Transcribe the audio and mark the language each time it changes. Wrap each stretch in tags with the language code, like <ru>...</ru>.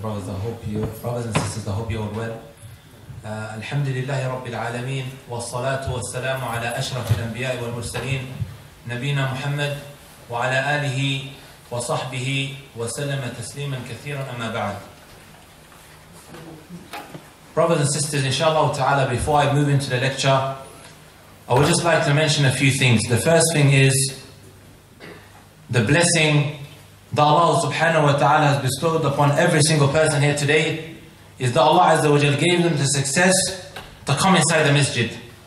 <en>Brothers, I hope you, brothers and sisters, I hope you are well.</en> <ar>الحمد لله رب العالمين والصلاة والسلام على أشرف الأنبياء والمرسلين نبينا محمد وعلى آله وصحبه وسلم تسليما كثيرا أما بعد.</ar> <en>Brothers and sisters, inshallah ta'ala, before I move into the lecture, I would just like to mention a few things. The first thing is the blessing that Allah subhanahu wa ta'ala has bestowed upon every single person here today is that Allah azza wa jal gave them the success to come inside the masjid.</en>